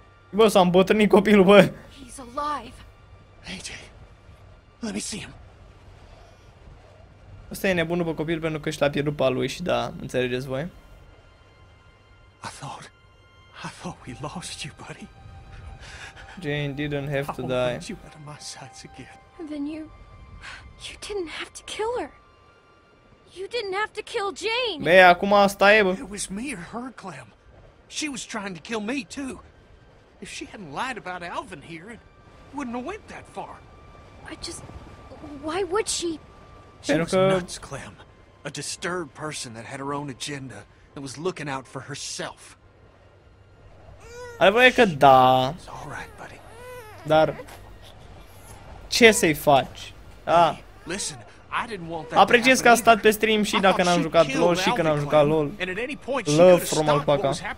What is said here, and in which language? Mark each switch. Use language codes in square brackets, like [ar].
[ro] Bă, s-a îmbătrânit copilul, bă. [en] He's alive. AJ, let me see him. [ro] Asta e nebun după copil pentru că și l-a pierdut pe-a lui și da, înțelegeți voi? [en] I thought we lost you, buddy. Jane didn't have to die. You out of my sights again. Then you didn't have to kill her. You didn't have to kill Jane. [ro] Bă, acum asta e, bă. [en] It was me or her, Clem. She was trying to kill me too. If she hadn't lied about Alvin here, it wouldn't have went that far. I just, why would she? She was nuts, Clem. A disturbed person that had her own agenda and was looking out for herself. [ro] Ai voie că da. [en] All right, buddy. [ro] Dar ce să-i faci? Ah. [en] Listen, I didn't want that. [ro] Apreciez că a stat pe stream și dacă n-am jucat LOL și când am jucat LOL. [en] Love from Alpaca.